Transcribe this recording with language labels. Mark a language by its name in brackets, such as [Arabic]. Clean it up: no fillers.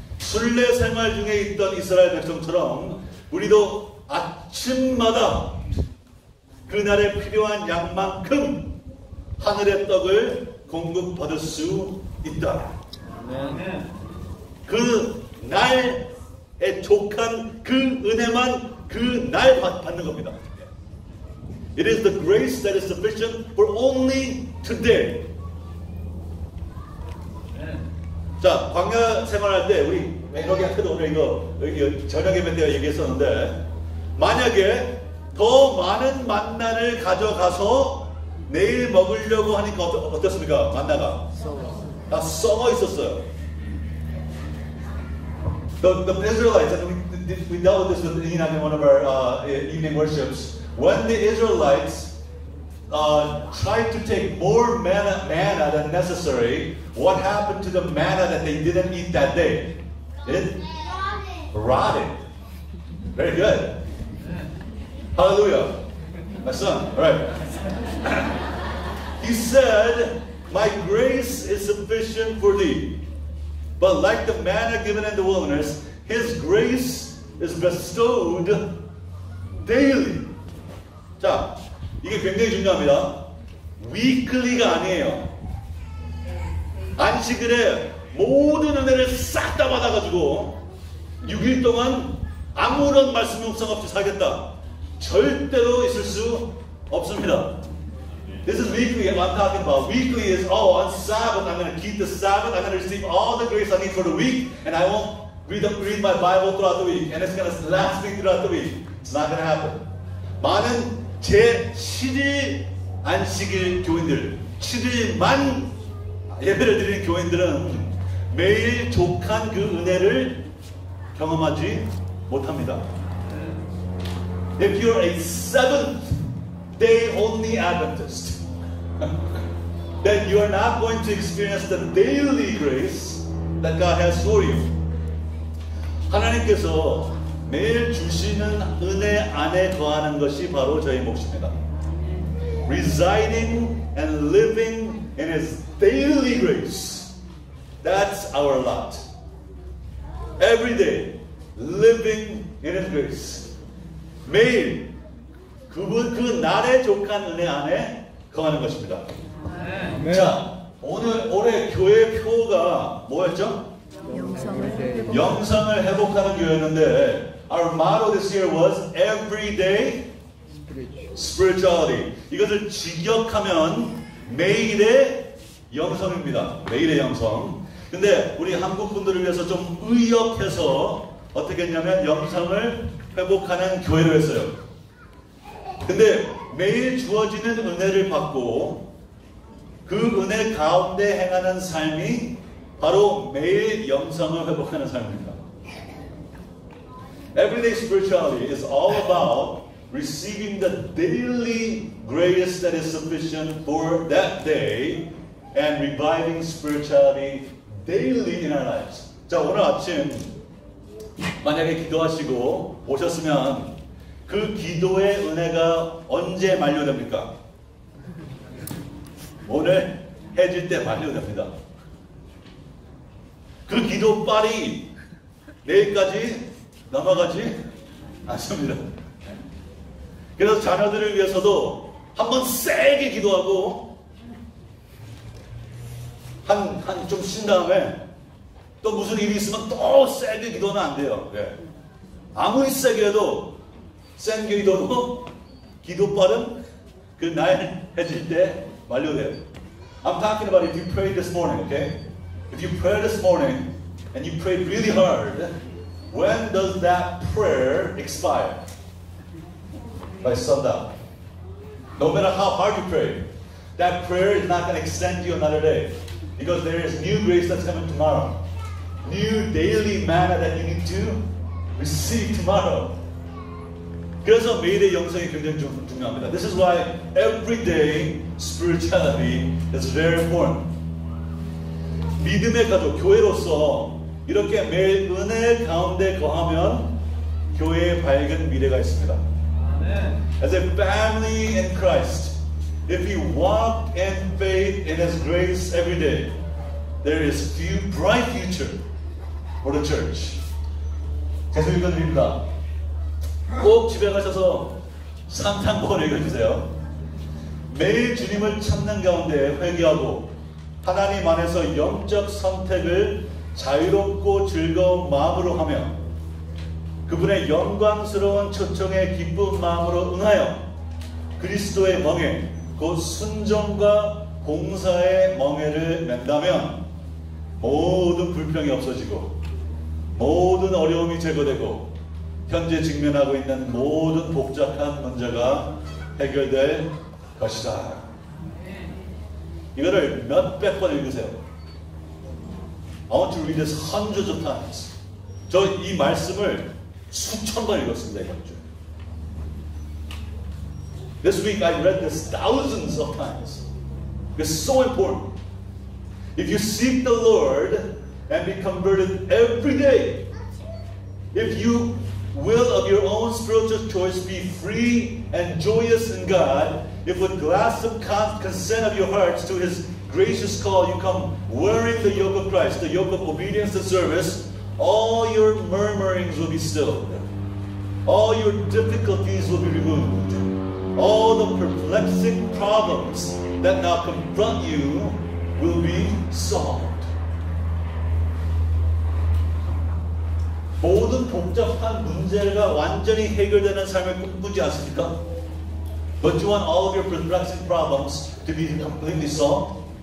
[Korean] 순례 생활 중에 있던 이스라엘 백성처럼 우리도 아침마다 그 날에 필요한 양만큼 하늘의 떡을 공급받을 수 있다. 아멘. 그 날에 족한 그 은혜만 그 날 받는 겁니다. [English] It is the grace that is sufficient for only today. [Korean] 자, 광야 생활할 때 우리 에너지한테도 오늘 이거 저녁 예배 때 얘기했었는데 만약에 더 많은 만나를 가져가서 내일 먹으려고 하니까 어떻습니까? 만나가 다 썩어 있었어요. [English] The Israelites, we dealt with this in one of our evening worships. When the Israelites tried to take more manna than necessary, what happened to the manna that they didn't eat that day? It rotted. Very good. Hallelujah. My son, all right. He said, my grace is sufficient for thee. But like the manna given in the wilderness, his grace is bestowed daily. [Korean] 자, 이게 굉장히 중요합니다. Weekly가 아니에요. 안식일에 모든 은혜를 싹 다 받아가지고 6일 동안 아무런 말씀 묵상 없이 살겠다. 절대로 있을 수 없습니다. [English] This is weekly, I'm talking about. Weekly is, oh, on Sabbath, I'm going to keep the Sabbath, I'm going to receive all the grace I need for the week, and I won't read my Bible throughout the week, and it's going to last me throughout the week. It's not going to happen. [Korean] 많은 제 7일 안식일 교인들, 7일만 예배를 드리는 교인들은 매일 족한 그 은혜를 경험하지 못합니다. [English] If you're a seventh day only Adventist, then you are not going to experience the daily grace that God has for you. [Korean] 하나님께서 매일 주시는 은혜 안에 거하는 것이 바로 저희 몫입니다. [English] Residing and living in His daily grace. That's our lot. Every day, living in His grace. [Korean] 매일 그분 그 날에 족한 은혜 안에 거하는 것입니다. 아멘. 자, 올해 교회 표어가 뭐였죠? 영성을 회복하는 교회였는데 [English] Our motto this year was everyday spirituality. [Korean] 이것을 직역하면 매일의 영성입니다. 매일의 영성. 근데 우리 한국 분들을 위해서 좀 의역해서 어떻게 했냐면 영성을 회복하는 교회로 했어요. 근데 매일 주어지는 은혜를 받고 그 은혜 가운데 행하는 삶이 바로 매일 영성을 회복하는 삶입니다. [English] Everyday spirituality is all about receiving the daily grace that is sufficient for that day and reviving spirituality daily in our lives. [Korean] 자, 오늘 아침 만약에 기도하시고 오셨으면 그 기도의 은혜가 언제 만료됩니까? 오늘 해질 때 만료됩니다. 그 기도빨이 내일까지 넘어가지 않습니다. 그래서 자녀들을 위해서도 한번 세게 기도하고 한 좀 쉰 다음에 또 무슨 일이 있으면 또 세게 기도는 안 돼요. 아무리 세게 해도 센 기도로 기도 발음 그 나의 해질 때 완료돼요. [English] I'm talking about if you pray this morning, okay? If you pray this morning and you pray really hard, when does that prayer expire? By sundown. No matter how hard you pray, that prayer is not going to extend you another day because there is new grace that's coming tomorrow. New daily manna that you need to receive tomorrow. [Korean] 그래서 매일의 영성이 굉장히 중요합니다. [English] This is why everyday spirituality is very important. [Korean] 믿음의 가족, 교회로서 이렇게 매일 은혜 가운데 거하면 교회의 밝은 미래가 있습니다. [English] As a family in Christ, if you walk in faith in His grace every day, there is a bright future for the church. [Korean] 계속 읽어드립니다. 꼭 집에 가셔서 산탄고를 읽어주세요. 매일 주님을 찾는 가운데 회개하고 하나님 안에서 영적 선택을 자유롭고 즐거운 마음으로 하며 그분의 영광스러운 초청에 기쁜 마음으로 응하여 그리스도의 멍에 곧 순종과 봉사의 멍에를 맨다면 모든 불평이 없어지고 모든 어려움이 제거되고 현재 직면하고 있는 모든 복잡한 문제가 해결될 것이다. 이거를 몇백 번 읽으세요. [English] I want to read this hundreds of times. [Korean] 저 이 말씀을 수천 번 읽었습니다. 이번 주. [English] This week I read this thousands of times. It's so important. If you seek the Lord and be converted every day, if you will of your own spiritual choice be free and joyous in God, if with glass of consent of your hearts to His gracious call you come wearing the yoke of Christ, the yoke of obedience and service, all your murmurings will be stilled. All your difficulties will be removed. All the perplexing problems that now confront you will be solved. [Korean] 모든 복잡한 문제가 완전히 해결되는 삶을 꿈꾸지 않습니까? [English] But you want all of your perplexing problems to be completely solved?